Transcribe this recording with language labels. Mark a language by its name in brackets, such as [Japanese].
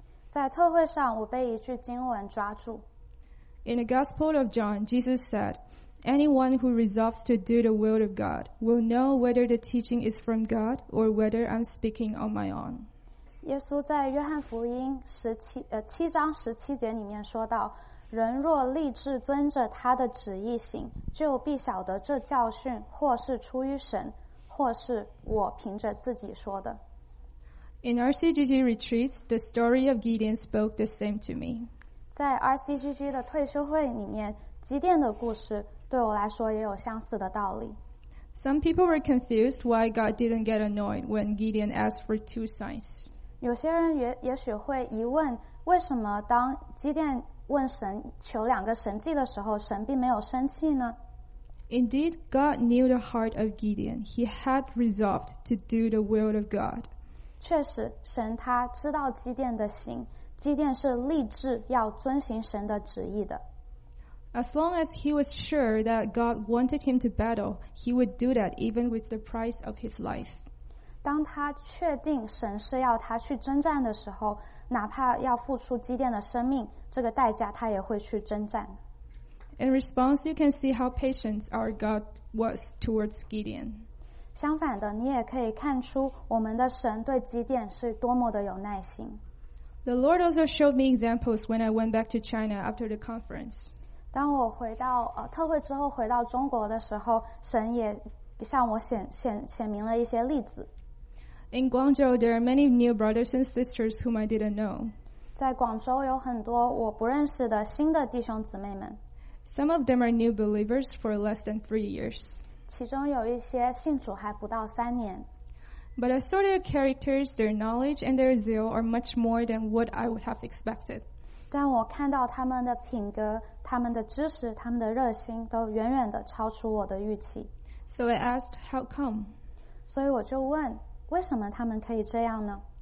[Chinese] 在特会上，我被一句经文抓住。 [English] In the Gospel of John, Jesus said, "Anyone who resolves to do the will of God will know whether the teaching is from God or whether I'm speaking on my own." [Chinese] 耶稣在约翰福音七章十七节里面说到，人若立志遵着他的旨意行，就必晓得这教训或是出于神，或是我凭着自己说的。 [English] In RCGG retreats, the story of Gideon spoke the same to me. [Chinese] 在 RCGG 的退休会里面，基甸的故事对我来说也有相似的道理。 [English] Some people were confused why God didn't get annoyed when Gideon asked for two signs. [Chinese] 有些人也许会疑问，为什么当基甸问神求两个神迹的时候，神并没有生气呢 [English] ？Indeed, God knew the heart of Gideon. He had resolved to do the will of God. [Chinese] 确实，神他知道基甸的心，基甸是立志要遵行神的旨意的。 [English] As long as he was sure that God wanted him to battle, he would do that even with the price of his life. [Chinese] 当他确定神是要他去征战的时候，哪怕要付出基甸的生命，这个代价他也会去征战。 [English] In response, you can see how patient our God was towards Gideon. [Chinese] 相反的，你也可以看出我们的神对基甸是多么的有耐心。 [English] The Lord also showed me examples when I went back to China after the conference. [Chinese] 当我回到特会之后回到中国的时候，神也向我显明了一些例子。 [English] In Guangzhou, there are many new brothers and sisters whom I didn't know. [Chinese] 在广州有很多我不认识的新的弟兄姊妹们。 [English] Some of them are new believers for less than 3 years. [Chinese] 其中有一些信主还不到三年。 [English] But I saw their characters, their knowledge, and their zeal are much more than what I would have expected. [Chinese] 但我看到他们的品格、他们的知识、他们的热心都远远地超出我的预期。 [English] So I asked, how come? [Chinese] 所以我就问，为什么他们可以这样呢？